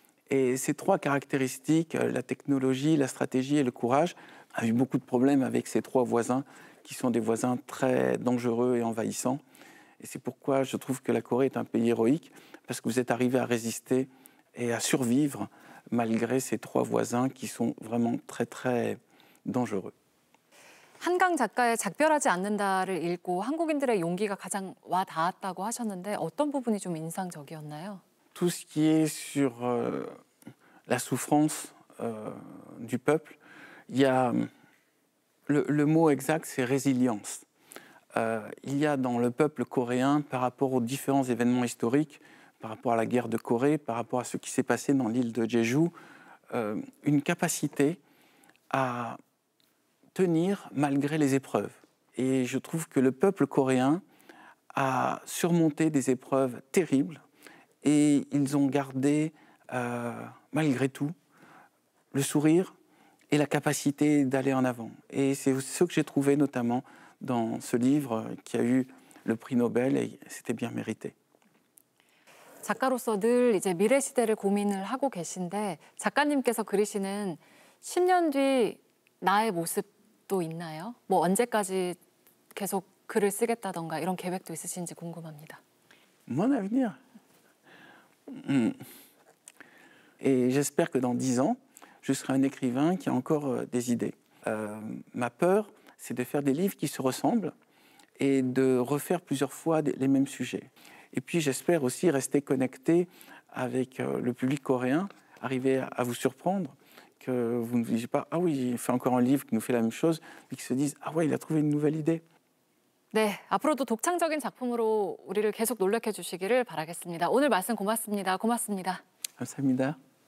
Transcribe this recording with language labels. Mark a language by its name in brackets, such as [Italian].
[French] Et ces trois caractéristiques, la technologie, la stratégie et le courage, a eu beaucoup de problèmes avec ces trois voisins, qui sont des voisins très dangereux et envahissants. Et c'est pourquoi je trouve que la Corée est un pays héroïque, parce que vous êtes arrivé à résister et à survivre malgré ces trois voisins qui sont vraiment très, très dangereux. [Korean] 한강 작가의 작별하지 않는다를 읽고 한국인들의 용기가 가장 와닿았다고 하셨는데 어떤 부분이 좀 인상적이었나요? [French] tout ce qui est sur la souffrance du peuple, il y a le mot exact, c'est résilience. Il y a dans le peuple coréen, par rapport aux différents événements historiques, par rapport à la guerre de Corée, par rapport à ce qui s'est passé dans l'île de Jeju, une capacité à tenir malgré les épreuves. Et je trouve que le peuple coréen a surmonté des épreuves terribles et ils ont gardé, malgré tout, le sourire et la capacité d'aller en avant. Et c'est ce que j'ai trouvé notamment dans ce livre qui a eu le prix Nobel et c'était bien mérité. [Korean] 작가로서 늘 이제 미래 시대를 고민을 하고 계신데 작가님께서 그리시는 10년 뒤 나의 모습도 있나요? 뭐 언제까지 계속 글을 쓰겠다던가 이런 계획도 있으신지 궁금합니다. [French] Mon avenir. Et j'espère que dans 10 ans, je serai un écrivain qui a encore des idées. Ma peur, c'est de faire des livres qui se ressemblent et de refaire plusieurs fois les mêmes sujets. Et puis j'espère aussi rester connecté avec le public coréen, arriver à vous surprendre, que vous ne vous disiez pas « Ah oui, il fait encore un livre qui nous fait la même chose », mais qu'ils se disent « Ah ouais, il a trouvé une nouvelle idée ». [Korean] 네, 앞으로도 독창적인 작품으로 우리를 계속 놀래켜 주시기를 바라겠습니다. 오늘 말씀 고맙습니다. 고맙습니다. 감사합니다.